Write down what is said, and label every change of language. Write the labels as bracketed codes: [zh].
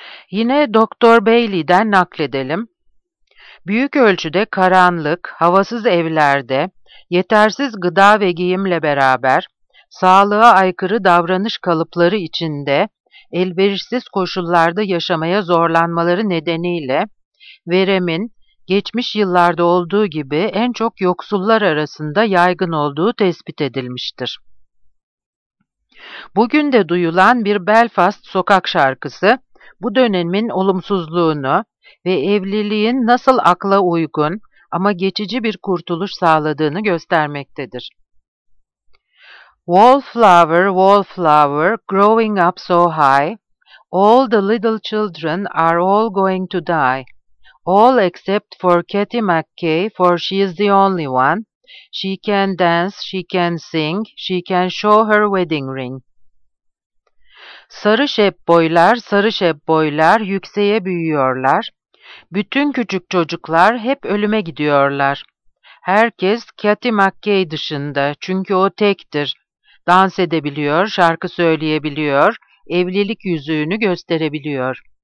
[tr] Yine Doktor Bailey'den nakledelim: büyük ölçüde karanlık, havasız evlerde, yetersiz gıda ve giyimle beraber, sağlığa aykırı davranış kalıpları içinde, elverişsiz koşullarda yaşamaya zorlanmaları nedeniyle, veremin geçmiş yıllarda olduğu gibi en çok yoksullar arasında yaygın olduğu tespit edilmiştir. Bugün de duyulan bir Belfast sokak şarkısı, bu dönemin olumsuzluğunu, ve evliliğin nasıl akla uygun ama geçici bir kurtuluş sağladığını göstermektedir. [en] Wallflower, wallflower, growing up so high, all the little children are all going to die. All except for Katy McKay, for she is the only one. She can dance, she can sing, she can show her wedding ring. [tr] Sarı şebboylar, sarı şebboylar yükseğe büyüyorlar. Bütün küçük çocuklar hep ölüme gidiyorlar. Herkes Katy McKay dışında, çünkü o tektir. Dans edebiliyor, şarkı söyleyebiliyor, evlilik yüzüğünü gösterebiliyor.